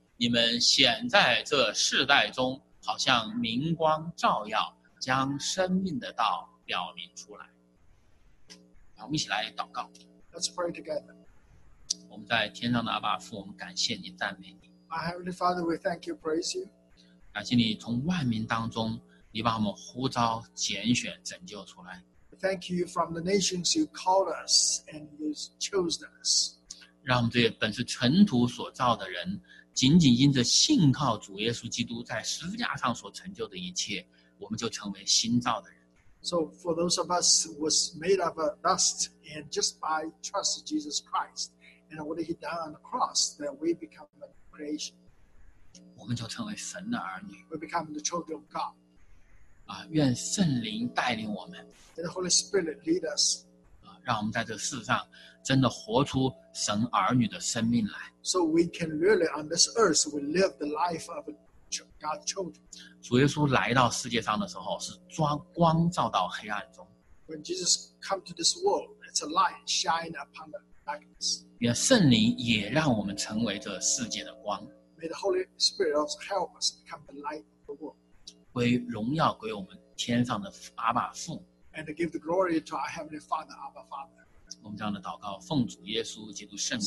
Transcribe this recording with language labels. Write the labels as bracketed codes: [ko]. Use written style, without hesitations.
[zh] 你们显在这世代中，好像明光照耀，将生命的道表明出来。我们一起来祷告。 [en] Let's pray together. [zh] 我们在天上的阿爸父，我们感谢你，赞美你。 [en] My Heavenly Father, we thank you, praise you. [zh] 感谢你从万民当中你把我们呼召拣选拯救出来。 [en] Thank you from the nations you called us and you chose us. [zh] 让我们这些本是尘土所造的人，仅仅因着信靠主耶稣基督在十字架上所成就的一切，我们就成为新造的人。 [en] So for those of us who was made of dust and just by trust Jesus Christ and what he done on the cross, that we become a creation. [zh] 我们就成为神的儿女。 [en] We become the children of God. [zh] 愿圣灵带领我们。 [en] The Holy Spirit lead us. [zh] 让我们在这世上真的活出神儿女的生命来。 [en] So we can really on this earth we live the life of God's children. [zh] 主耶稣来到世界上的时候是光照到黑暗中。 [en] When Jesus come to this world, it's a light shine upon the darkness. [zh] 愿圣灵也让我们成为这世界的光。 [en] May the Holy Spirit also help us become the light of the world. [zh] 归荣耀归我们天上的阿爸父。 [en] And give the glory to our heavenly Father, Abba Father. [zh] 我们这样的祷告，奉主耶稣基督圣名。